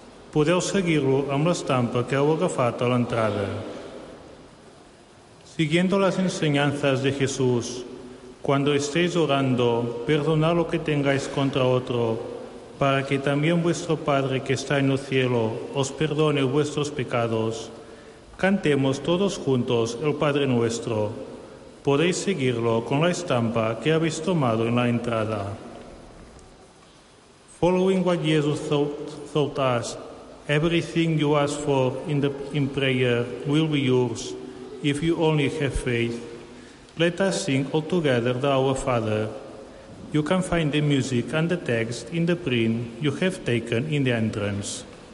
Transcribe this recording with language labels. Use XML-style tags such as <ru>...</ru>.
<ca>Podeu seguir-lo amb l'estampa que heu agafat a l'entrada.</ca> <es>Siguiendo las enseñanzas de Jesús, cuando estéis orando, perdonad lo que tengáis contra otro, para que también vuestro Padre que está en el cielo os perdone vuestros pecados. Cantemos todos juntos el Padre Nuestro. Podéis seguirlo con la estampa que habéis tomado en la entrada.</es> <en>Following what Jesus taught us, everything you ask for in prayer will be yours if you only have faith. Let us sing all together the Our Father. You can find the music and the text in the print you have taken in the entrance.</en>